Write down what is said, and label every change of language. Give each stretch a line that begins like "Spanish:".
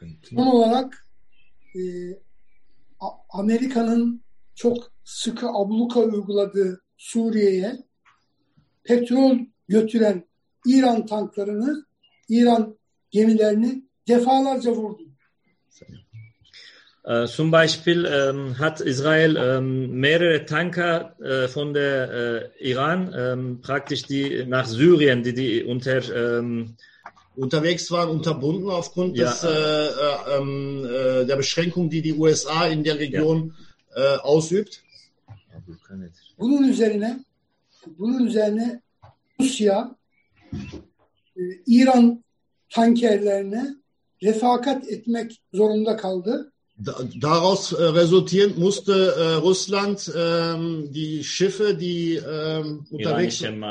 Turkish: Son olarak Amerika'nın çok sıkı abluka uyguladığı Suriye'ye petrol götüren İran tanklarını, İran gemilerini defalarca vurdu.
German: Zum Beispiel hat Israel mehrere Tanker von der Iran praktisch die nach Syrien, die unter unterwegs waren, unterbunden aufgrund der Beschränkung, die USA in der Region ausübt.
Turkish: Bunun üzerine Rusya İran tankerlerine refakat etmek zorunda kaldı.
German: Daraus resultierend musste Russland die Schiffe, die unterwegs